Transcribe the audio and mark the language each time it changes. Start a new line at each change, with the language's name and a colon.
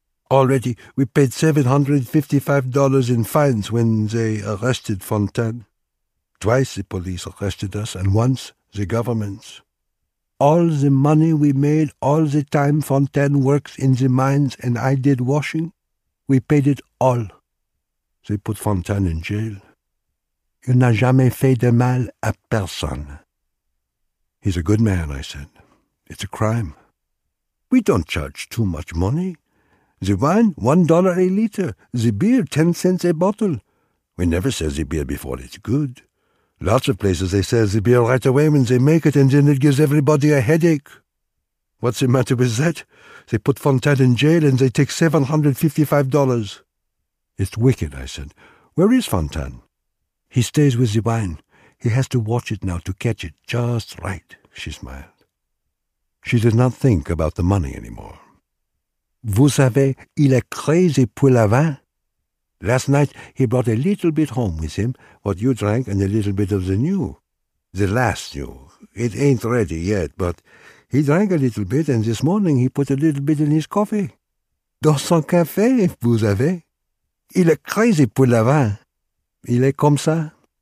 English: Already we paid $755 in fines when they arrested Fontaine. Twice the police arrested us, and once the government's. All the money we made all the time Fontaine works in the mines and I did washing, we paid it all. They put Fontaine in jail.
French: Il n'a jamais fait de mal à personne.
English: He's a good man, I said. It's a crime. We don't charge too much money. The wine, $1 a liter. The beer, 10 cents a bottle. We never sell the beer before it's good. Lots of places they sell the beer right away when they make it, and then it gives everybody a headache. What's the matter with that? They put Fontaine in jail and they take $755. It's wicked, I said. Where is Fontaine? He stays with the wine. He has to watch it now to catch it just right, she smiled. She did not think about the money anymore.
French: Vous savez, il est crazy pour le vin.
English: Last night he brought a little bit home with him, what you drank and a little bit of the new. The last new. It ain't ready yet, but he drank a little bit and this morning he put a little bit in his coffee.
French: Dans son café, vous savez. Il est crazy pour le vin. Il est comme ça.